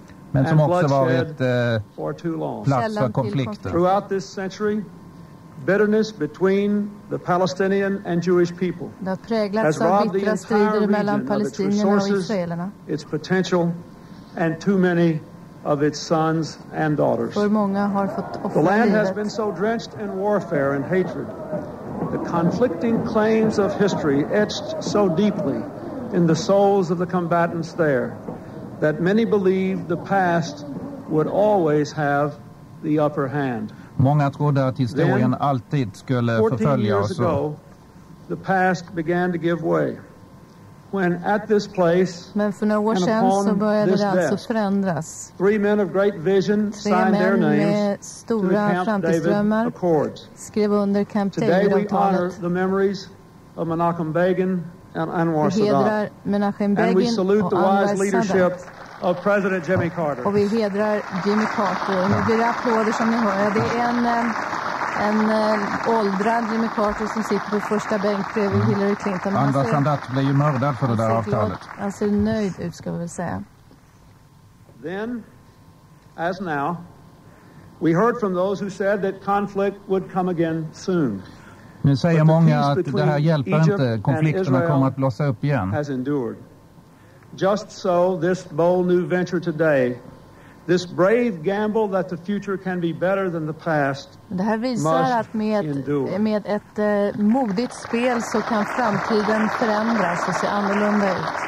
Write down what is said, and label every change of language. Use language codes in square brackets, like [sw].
[sv] Men som också varit plats för konflikter. [en] Throughout this century, bitterness between the Palestinian and Jewish people [sv] har präglats av bittra strider mellan palestinierna och israelerna. [en] Its potential and too many of its sons and daughters. [sv] För många har fått offra livet. [en] The land has been so drenched in warfare and hatred. The conflicting claims of history etched so deeply in the souls of the combatants there that many believed the past would always have the upper hand. [sv] Många trodde att historien alltid skulle förfölja oss. [en] The past began to give way. When at this place, [sv] men för några år sedan så började det alltså förändras. [en] Three men of great vision signed their names to the Camp David Accords. [sv] Skrev under Camp David-avtalet. [en] Today we honor the memories of Menachem Begin and Anwar Sadat. And we salute the wise leadership of President Jimmy Carter. [sv] Och vi hedrar Jimmy Carter. Nu blir det applåder som ni hör. Det är en åldrad Jimmy Carter som sitter på första bänk bredvid Hillary Clinton. Anwar Sadat blev ju mördad för det där avtalet. Han ser nöjd ut, ska vi väl säga. [en] Then, as now, we heard from those who said that conflict would come again soon. [sv] Nu säger många att det här hjälper inte. Konflikterna kommer att blossa upp igen. [en] Has endured. Just so, this bold new venture today, this brave gamble that the future can be better than the past. [sv] Det här visar att med ett modigt spel så kan framtiden förändras och se annorlunda ut.